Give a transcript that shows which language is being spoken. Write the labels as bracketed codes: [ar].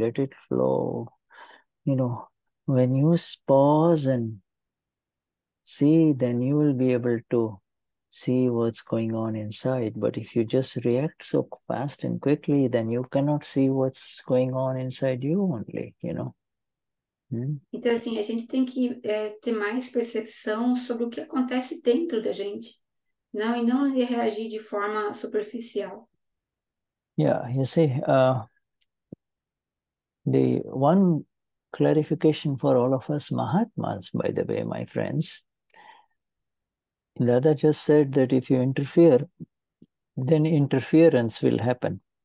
[en] Let it flow. You know, when you pause and see, then you will be able to see what's going on inside. But if you just react so fast and quickly, then you cannot see what's going on inside you only, you know. [pt] Então, assim, a gente tem que ter mais percepção sobre o que acontece dentro da gente, não, e não reagir de forma superficial. [en] Yeah, you see, the one clarification for all of us Mahatmas, by the way, my friends, Dada just said that if you interfere, then interference will happen.